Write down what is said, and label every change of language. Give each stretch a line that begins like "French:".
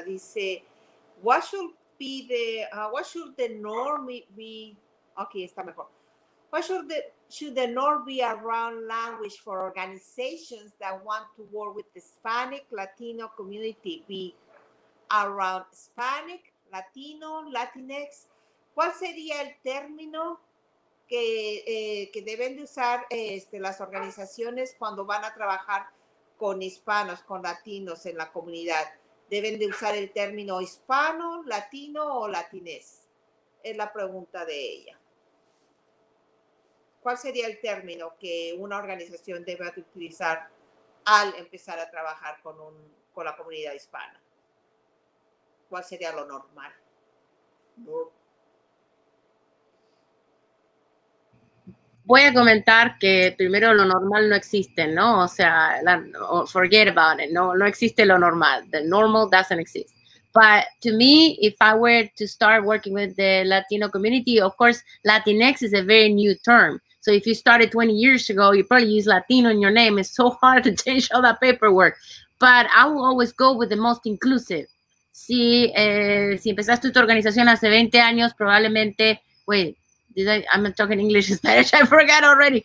English: Dice, what should be the, what should the norm be? Okay,
Spanish: está mejor.
English: What should the norm be around language for organizations that want to work with the Hispanic Latino community be around Hispanic, Latino, Latinx?
Spanish: ¿Cuál sería el término que deben de usar las organizaciones cuando van a trabajar con hispanos, con latinos en la comunidad? ¿Deben de usar el término hispano, latino o latinés? Es la pregunta de ella. ¿Cuál sería el término que una organización debe de utilizar al empezar a trabajar con la comunidad hispana? ¿Cuál sería lo normal? Voy a comentar que primero lo normal no existe, ¿no? O sea,
English: forget about it.
Spanish: No existe lo normal.
English: The normal doesn't exist. But to me, if I were to start working with the Latino community, of course, Latinx is a very new term. So if you started 20 years ago, you probably use Latino in your name. It's so hard to change all that paperwork. But I will always go with the most inclusive.
Spanish: Si empezaste tu organización hace 20 años, probablemente,
English: I'm talking English, Spanish, I forgot already.